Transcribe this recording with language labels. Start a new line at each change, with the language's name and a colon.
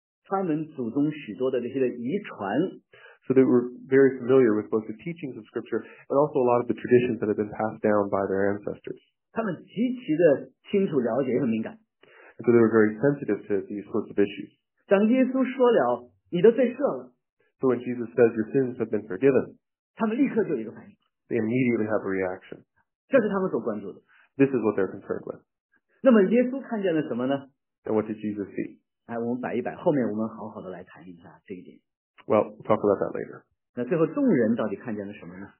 English: So they were very familiar with both the teachings of Scripture and also a lot of the traditions that had been passed down by their ancestors. So they were very sensitive to these sorts of issues.
Chinese: 当耶稣说了, 你的罪赦了,
English: so when Jesus says, your sins have been forgiven,
Chinese: 他们立刻就有一个反应,
English: they immediately have a reaction.
Chinese: 这是他们所关注的,
English: this is what they're concerned with.
Chinese: 那么耶稣看见了什么呢?
English: And what did Jesus see?
Chinese: 哎,我们摆一摆, 后面我们好好的来谈一下这一点。
English: Well, we'll talk about that later.
Chinese: 那最后众人到底看见了什么呢?